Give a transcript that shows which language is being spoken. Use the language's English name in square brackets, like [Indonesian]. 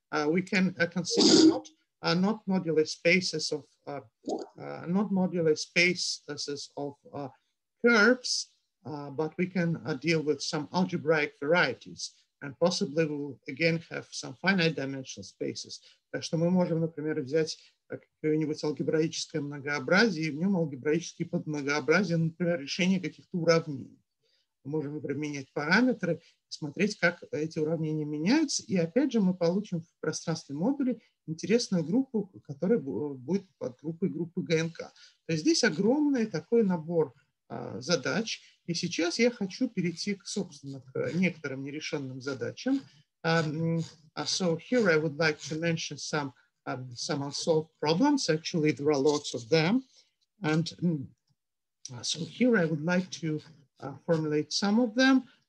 [English] We can consider not moduli spaces of curves, but we can deal with some algebraic varieties, and possibly we'll again have some finite dimensional spaces. [Russian] Так что мы можем, например, взять какое-нибудь алгебраическое многообразие, и в нем алгебраические подмногообразия, например, решение каких-то уравнений. Мы можем применять параметры, смотреть, как эти уравнения меняются, и опять же мы получим в пространстве модуля интересную группу, которая будет под группой группы ГНК. То есть здесь огромный такой набор задач, и сейчас я хочу перейти к, собственно, к некоторым нерешенным задачам. [English] So here I would like to mention some unsolved problems. Actually, there are lots of them. And so here I would like to formulate some of them.